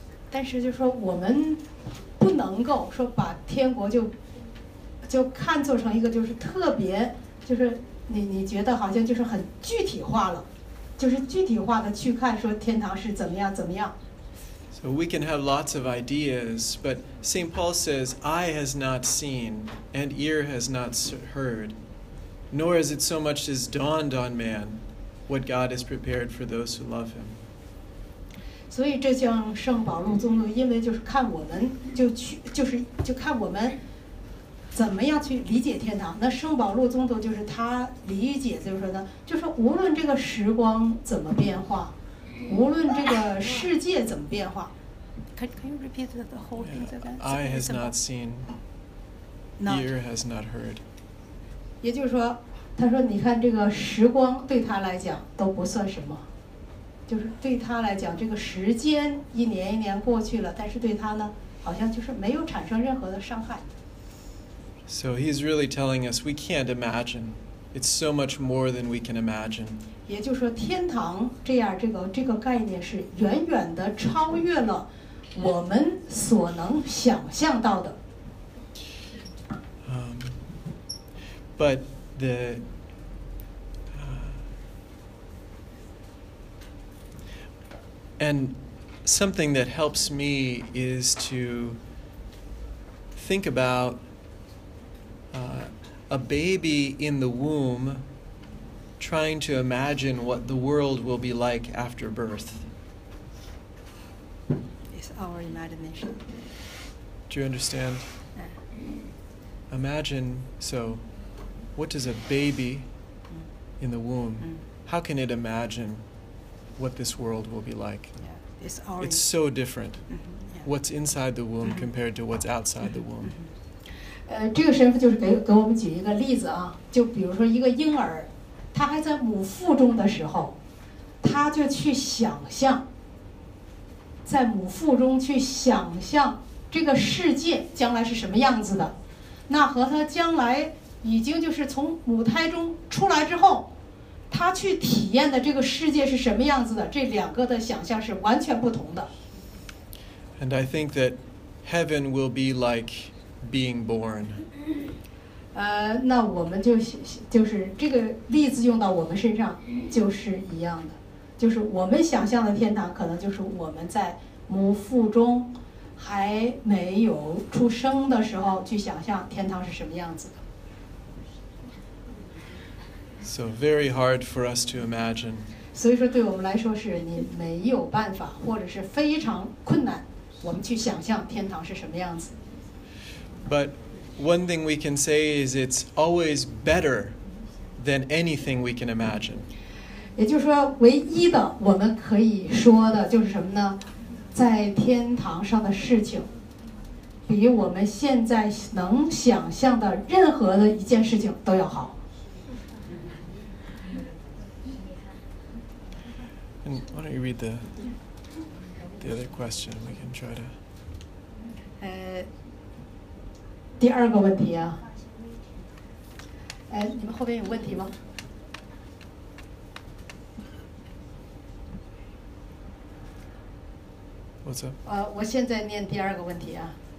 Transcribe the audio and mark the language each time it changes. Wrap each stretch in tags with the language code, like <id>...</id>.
<zh>但是就是说我们不能够说把天国就看作成一个就是特别就是你觉得好像就是很具体化了，就是具体化的去看说天堂是怎么样怎么样。</zh> <en>So we can have lots of ideas, but St. Paul says, eye has not seen, and ear has not heard, nor is it so much as dawned on man what God has prepared for those who love him.</en> <zh>所以这像圣保禄宗徒，因为就是看我们就看我们怎么样去理解天堂。那圣保禄宗徒就是他理解就是说呢，就是无论这个时光怎么变化，无论这个世界怎么变化。</zh> <en>Can you repeat the whole thing of that? Eye has not seen, ear has not heard.</en> <zh>也就是说，他说你看这个时光对他来讲都不算什么，就是对他来讲这个时间一年一年过去了，但是对他呢好像就是没有产生任何的伤害。</zh> <en>So he's really telling us we can't imagine. It's so much more than we can imagine.</en> <zh>也就是说天堂这样这个概念是远远的超越了我们所能想象到的。</zh> <en>But the and something that helps me is to think about a baby in the womb. Trying to imagine what the world will be like after birth. It's our imagination. Do you understand? Imagine, so what does a baby in the womb, how can it imagine what this world will be like? Yeah. It's our It's so different. What's inside the womb compared to what's outside the womb.</en> <zh>这个神父就是给我们举一个例子啊，就比如说一个婴儿他还在母腹中的时候，他就去想象，在母腹中去想象这个世界将来是什么样子的。那和他将来已经就是从母胎中出来之后，他去体验的这个世界是什么样子的，这两个的想象是完全不同的。</zh> <en>And I think that heaven will be like being born.</en> <zh>那我们就是这个例子用到我们身上就是一样的，就是我们想象的天堂可能就是我们在母腹中还没有出生的时候去想象天堂是什么样子的。</zh> <en>So very hard for us to imagine.</en> <zh>所以说对我们来说是你没有办法或者是非常困难我们去想象天堂是什么样子。</zh> <en>ButOne thing we can say is it's always better than anything we can imagine.</en> <zh>也就是说唯一的我们可以说的就是什么呢？在天堂上的事情比我们现在能想象的任何的一件事情都要好。</zh> <en>And why don't you read the other question? We can try to...</en> <zh>第二个问题啊，你们后边有问题吗？我现在念第二个问题啊。</zh>